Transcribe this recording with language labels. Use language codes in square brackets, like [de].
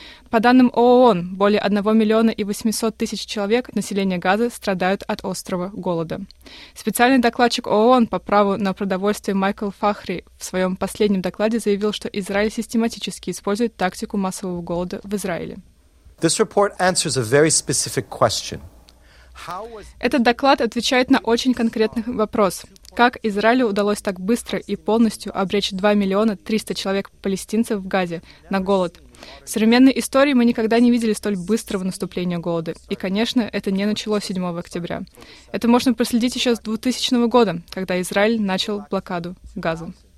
[ru] По данным ООН, более 1 миллиона и 800 тысяч человек населения Газы страдают от острого голода. Специальный докладчик ООН по праву на продовольствие Майкл Фахри в своем последнем докладе заявил, что Израиль систематически использует тактику массового голода в Израиле. [en] This report answers a very specific question. [ru] Этот доклад отвечает на очень конкретный вопрос. Как Израилю удалось так быстро и полностью обречь 2 миллиона 300 человек палестинцев в Газе на голод? В современной истории мы никогда не видели столь быстрого наступления голода. И, конечно, это не началось 7 октября. Это можно проследить еще с 2000 года, когда Израиль начал блокаду Газы.